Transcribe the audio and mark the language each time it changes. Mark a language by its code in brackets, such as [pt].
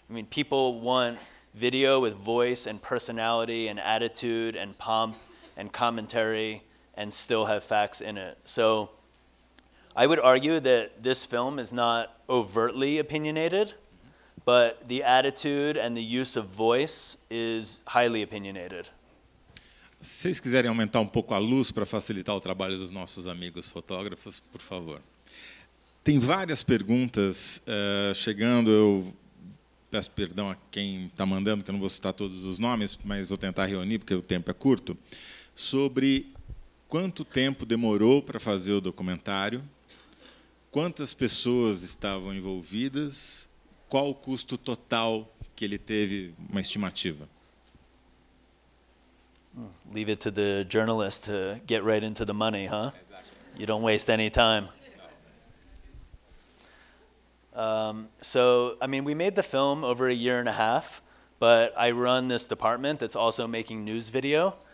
[en] I mean, people want video with voice and personality and attitude and pomp and commentary and still have facts in it. So I would argue that this film is not overtly opinionated, but the attitude and the use of voice is highly opinionated. [pt] Se vocês quiserem aumentar um pouco a luz para facilitar o trabalho dos nossos amigos fotógrafos, por favor. Tem várias perguntas chegando, eu peço perdão a quem está mandando, que eu não vou citar todos os nomes, mas vou tentar reunir, porque o tempo é curto, sobre quanto tempo demorou para fazer o documentário, quantas pessoas estavam envolvidas, qual o custo total que ele teve, uma estimativa. [en] Leave it to the journalist to get right into the money, huh? Exactly. You don't waste any time. So, I mean, we made the film over a year and a half, but I run this department that's also making news video.